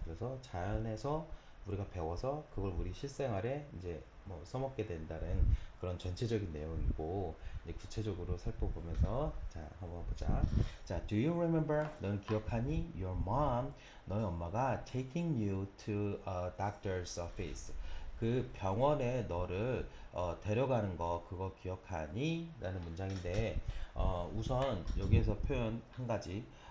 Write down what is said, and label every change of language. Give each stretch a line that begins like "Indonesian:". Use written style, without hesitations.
Korean: 그래서 자연에서 우리가 배워서 그걸 우리 실생활에 이제 뭐 써먹게 된다는 그런 전체적인 내용이고, 이제 구체적으로 살펴보면서, 자, 한번 보자. 자,
English: do you remember?
Korean: 넌 기억하니?
English: Your mom,
Korean: 너의 엄마가
English: taking you to a doctor's office.
Korean: 그 병원에 너를 데려가는 거, 그거 기억하니? 라는 문장인데, 우선 여기에서 표현 한 가지.